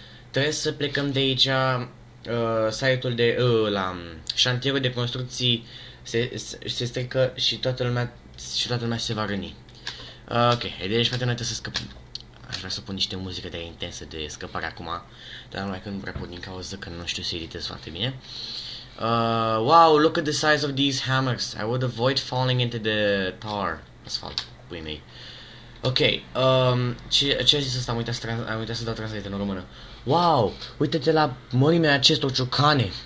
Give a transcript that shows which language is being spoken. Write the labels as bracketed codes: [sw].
[ro] Trebuie să plecăm de aici, site-ul de la șantierul de construcții se strică și toată lumea se va răni. Ok, deci poate noi să scăpăm. Aș vrea să pun niște muzică de intensă de scăpare acum, dar numai că nu prea pot din cauza că nu știu să editez foarte bine. [en] Wow, look at the size of these hammers. I would avoid falling into the tar. [ro] Asfalt, pui mei. Ok, ce a zis ăsta? Am uitat să dau translate în română. Wow, uite-te la mărimea acestor ciocane.